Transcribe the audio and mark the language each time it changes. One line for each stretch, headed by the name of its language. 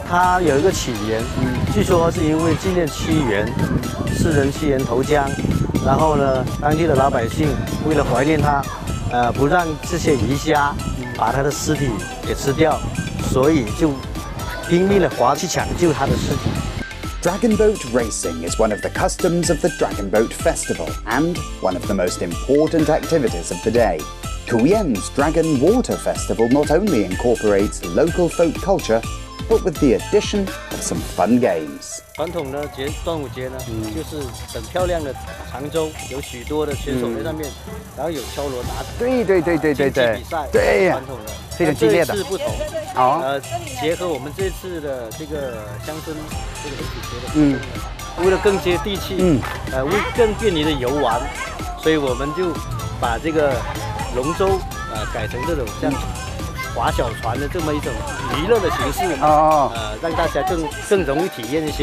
Chinese: 它有一个起源，据说是因为纪念屈原，世人屈原投江，然后呢，当地的老百姓为了怀念他，不让这些鱼虾把他的尸体给吃掉，所以就拼命的划去抢救他的尸体。
English: Dragon boat racing is one of the customs of the Dragon Boat Festival and one of the most important activities of the day. Kuyen's Dragon Water Festival not only incorporates local folk culture, but with the addition of some fun games.
Chinese: 传统的节端午节呢，就是很漂亮的长洲，有许多的选手在上面，然后有敲锣打鼓，对，竞技比赛，对，传统的。非常激烈的，这次不同，好，结合我们这次的这个乡村这个主题的活动，为了更接地气，为更便利的游玩，所以我们就把这个龙舟改成这种像划小船的这么一种娱乐的形式，让大家更容易体验一些。